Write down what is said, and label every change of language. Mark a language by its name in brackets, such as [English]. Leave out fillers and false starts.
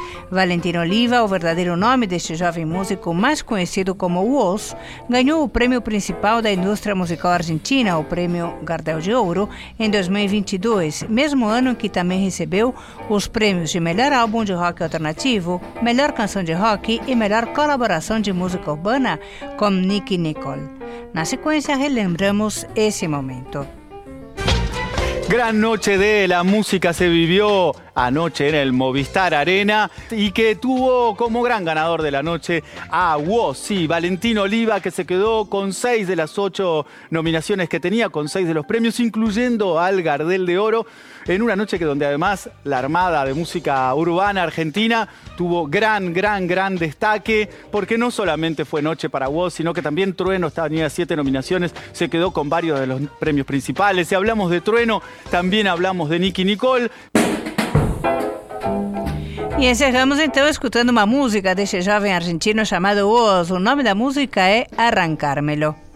[Portuguese] Valentino Oliva, o verdadeiro nome deste jovem músico mais conhecido como Os, ganhou o prêmio principal da indústria musical argentina, o prêmio Gardel de Ouro, em 2022, mesmo ano em que também recebeu os prêmios de melhor álbum de rock alternativo, melhor canção de rock e melhor colaboração de música urbana com Nicki Nicole. Na sequência, relembramos esse momento. [Spanish] Gran noche de la música se vivió anoche en el Movistar Arena y que tuvo como gran ganador de la noche a Wossi, Valentín Oliva, que se quedó con 6 de las 8 nominaciones que tenía, con 6 de los premios, incluyendo al Gardel de Oro, en una noche que donde además la Armada de Música Urbana Argentina tuvo gran destaque, porque no solamente fue noche para Wossi, sino que también Trueno tenía 7 nominaciones, se quedó con varios de los premios principales. Si hablamos de Trueno, también hablamos de Nicki Nicole. [Portuguese] E encerramos então escutando uma música desse jovem argentino chamado Oz. O nome da música é Arrancármelo.